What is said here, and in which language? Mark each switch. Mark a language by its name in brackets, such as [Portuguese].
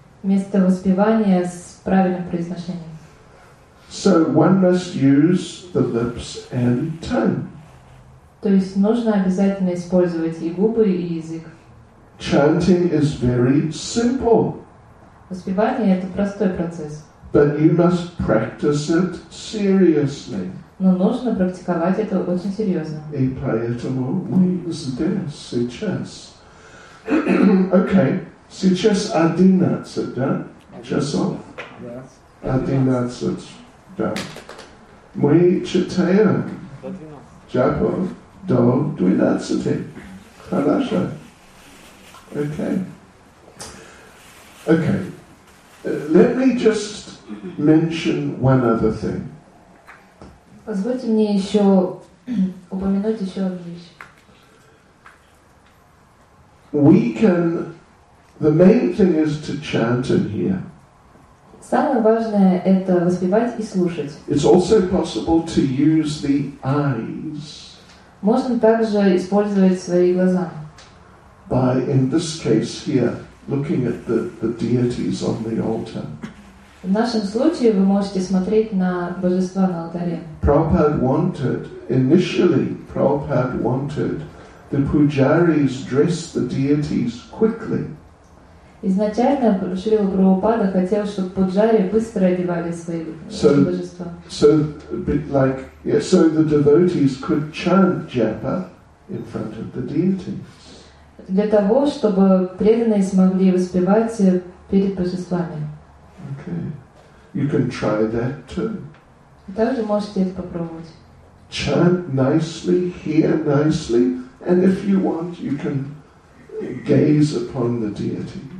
[Russian] Вместо воспевания с правильным произношением. [English] So one must use the lips and tongue. [Russian] То есть нужно обязательно использовать и губы, и язык. [English] Chanting is very simple. [Russian] Воспевание – это простой процесс. [English] But you must practice it seriously. [Russian] Но нужно практиковать это очень серьезно. И поэтому мы здесь сейчас. Okay, сейчас 11, да? Часов? 11. Да. Мы читаем джапу до 12. Хорошо. [English] Okay. Let me just mention one other thing. [Russian] Позвольте мне еще упомянуть еще одну вещь. [English] The main thing is to chant and hear. [Russian] Самое важное – это воспевать и слушать. [English] It's also possible to use the eyes. [Russian] Можно также использовать свои глаза. [English] By, in this case here, looking at the deities on the altar. [Russian] В нашем случае вы можете смотреть на божества на алтаре. [English] Prabhupada wanted the pujaris dress the deities quickly. [Russian] Изначально Шрила Прабхупада хотел, чтобы пуджари быстро одевали свои божества. [English] So the devotees could chant japa in front of the deities. [Russian] Для того, чтобы преданные смогли воспевать перед божествами. [English] Okay. You can try that too. [Russian] Вы также можете это попробовать. [English] Chant nicely, hear nicely, and if you want, you can gaze upon the deities.